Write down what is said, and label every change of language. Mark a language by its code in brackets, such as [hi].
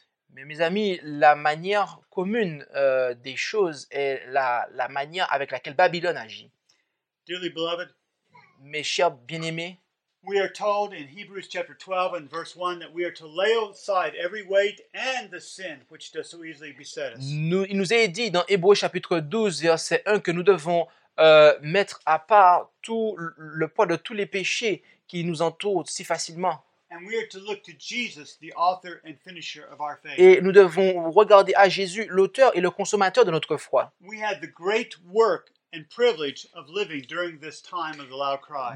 [fr] Mais mes amis, la manière commune des choses est la manière avec laquelle Babylone agit. [en] Dearly beloved, [fr] mes chers bien-aimés, [en] we are told in Hebrews chapter 12 and verse 1 that we are to lay aside every weight and the sin which does so easily beset us. [fr] Il nous est dit dans Hébreux chapitre 12 verset 1 que nous devons mettre à part tout le poids de tous les péchés qui nous entourent si facilement. [en] And we are to look to Jesus, the author and finisher of our faith. [fr] Et nous devons regarder à Jésus, l'auteur et le consommateur de notre foi. [en] We had the great work and privilege of living during this time of the loud cry.